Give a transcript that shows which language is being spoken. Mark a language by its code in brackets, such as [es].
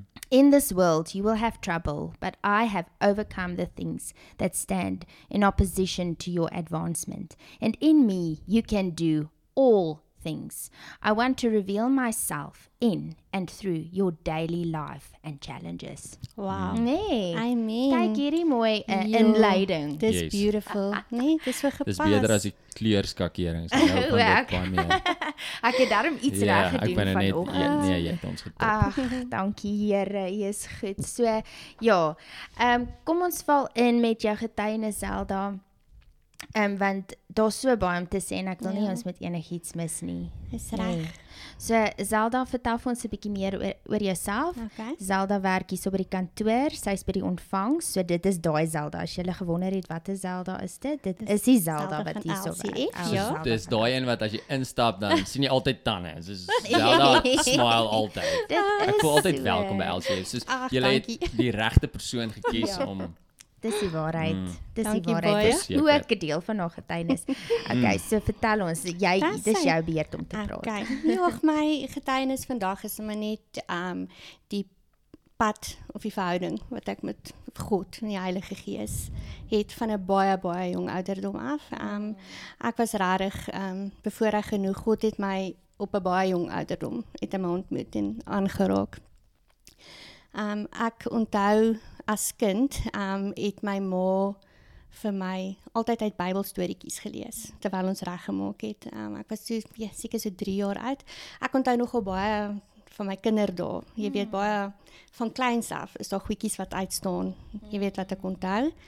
[en] In this world you will have trouble, but I have overcome the things that stand in opposition to your advancement. And in me you can do all things. I want to reveal myself in and through your daily life and challenges. Wow. [af] Nee. [en] I mean. [af] Kijk hierdie mooi inleiding. Dit is beautiful. Nee, dit is so gepas. Dit is beter as die kleerskakering. Nou ek het daarom iets reg gedoen van net, ons. Ja, nee, jy het ons getop. Ach, dankie Here, jy is goed. So, ja. Kom ons val in met jou getuienis Zelda. Want daar is so baie om te sê en ek wil nie ons met enigiets mis nie. Is reg. Nee. So Zelda, vertel vir ons 'n bietjie meer oor jouself. Okay. Zelda werk hier so by die kantoor, sy is by die ontvang, so dit is daai Zelda. As jy gewonder het wat 'n Zelda is dit, dit is die Zelda wat hier so werk. Dit is daai een wat as jy instap dan sien jy altyd tande. So Zelda smile altyd. Ek voel altyd welkom by LCA. So jy het die regte persoon gekies om... Dis die waarheid, dis die waarheid, dis ook een deel van haar getuienis. Okay, so vertel ons, jy, dis jou beurt om te praat. Okay, nog my getuienis vandag is maar net die pad of die verhouding wat ek met God en die Heilige Gees het van een baie, baie jong ouderdom af. Ek was rarig bevoorreg genoeg, God het my op een baie jong ouderdom het my ontmoet en aangeraak. Ek onthou as kind het my ma vir my altyd uit Bybelstorietjies gelees, terwyl ons reg gemaak het. Ek was so, seker so 3 jaar oud. Ek onthou nogal baie van my kinderdae. Jy weet, baie van kleins af is daar goedjies wat uitstaan. Jy weet wat ek onthou.